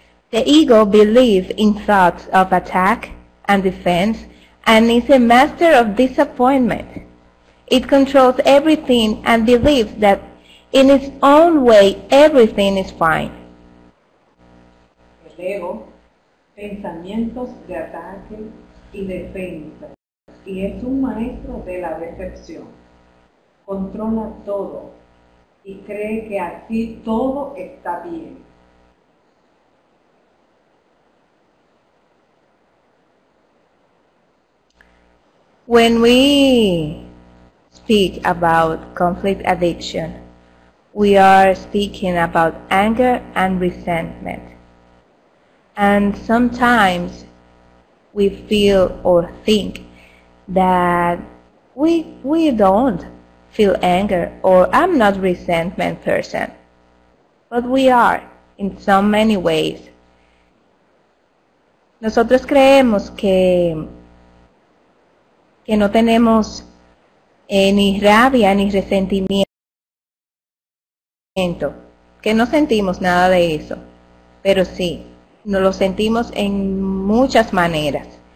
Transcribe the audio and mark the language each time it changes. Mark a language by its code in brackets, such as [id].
[en] The ego believes in thoughts of attack and defense and is a master of disappointment. It controls everything and believes that in its own way everything is fine. [es] El ego, pensamientos de ataque y defensa, y es un maestro de la decepción. Controla todo y cree que así todo está bien. [en] When we speak about conflict addiction, we are speaking about anger and resentment. And sometimes we feel or think that we don't feel anger, or I'm not a resentment person. But we are, in so many ways. [es] Nosotros creemos que no tenemos ni rabia ni resentimiento, que no sentimos nada de eso, pero sí, nos lo sentimos en muchas maneras.